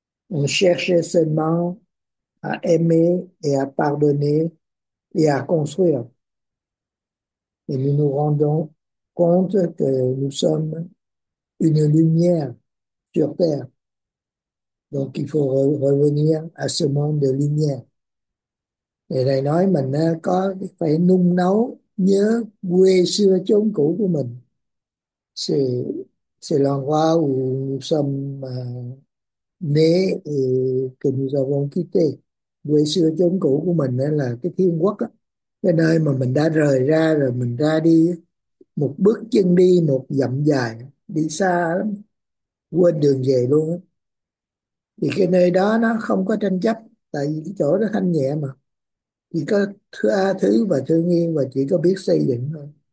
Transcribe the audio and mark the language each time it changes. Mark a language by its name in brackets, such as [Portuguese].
[French] On cherchait seulement à aimer et à pardonner et à construire. Et nous nous rendons compte que nous sommes une lumière sur terre. Donc, il faut revenir à ce monde de lumière. Et là, [Vietnamese] nói mình có phải nung nấu nhớ quê xưa chốn cũ của mình. [French] C'est l'endroit où nous sommes nés et que nous avons quitté. [Vietnamese] Quê xưa chốn cũ của mình là cái thiên quốc, cái nơi mà mình đã rời ra rồi mình ra đi một bước chân đi một dặm dài. Đi xa lắm, quên đường về luôn đó. Thì cái nơi đó nó không có tranh chấp, tại vì cái chỗ đó thanh nhẹ mà, chỉ có tha thứ và thương yêu và chỉ có biết xây dựng thôi.